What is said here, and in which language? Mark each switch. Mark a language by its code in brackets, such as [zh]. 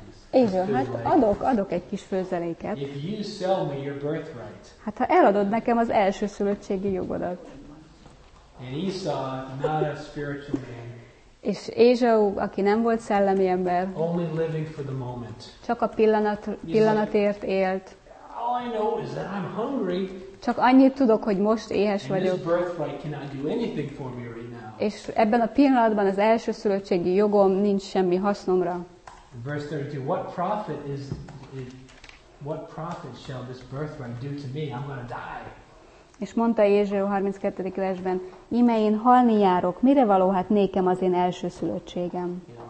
[hu] Ézsau, hát adok egy kis főzeléket. [en] If you sell me your birthright. [hu] Hát ha eladod nekem az első szülöttségi jogodat. [en] And Esau, not a spiritual man. [hu] És Ézsau, aki nem volt szellemi ember, [en] only living for the moment. [hu] Csak a pillanatért élt. [en] All I know is that I'm hungry. [hu] Csak annyit tudok, hogy most éhes vagyok. [en] And this birthright cannot do anything for me right now. [hu] És ebben a pillanatban az első szülöttségi jogom nincs semmi hasznomra. [en] Verse 32, what profit is What profit shall this birthright do to me? I'm going to die. [hu] És mondta Ézsaiás 32. versben, íme én halni járok, mire való hát nékem az én elsőszülöttségem?